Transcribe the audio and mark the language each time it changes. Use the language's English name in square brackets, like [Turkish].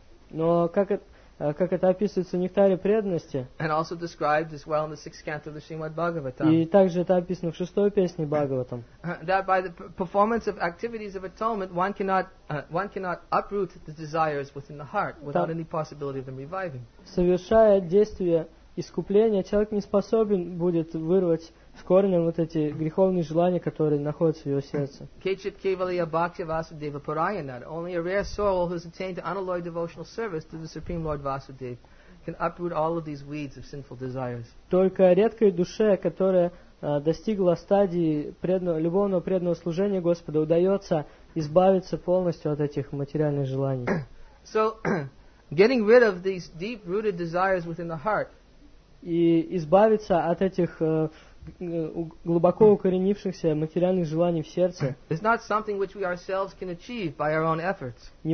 [Russian] Но как это описывается в Нектаре преданности, и также это описано в шестой песне Бхагаватам, [English] that by the performance of activities of atonement one cannot uproot the desires within the heart without any possibility of them reviving. [Russian] Совершая действие искупления, человек не способен будет вырвать с корнем вот эти греховные желания, которые находятся в его сердце. [Sanskrit] Кечит кевалия бхакти васудева параянат. [English] Only a rare soul who has attained unalloyed devotional service to the Supreme Lord Vasudev can uproot all of these weeds of sinful desires. [Russian] Только редкой душе, которая достигла стадии любовного преданного служения Господа, удается избавиться полностью от этих материальных желаний. [English] So, getting rid of these deep-rooted desires within the heart. [Russian] И избавиться от этих глубоко укоренившихся материальных желаний в сердце. [English] It's not something which we ourselves can achieve by our own efforts.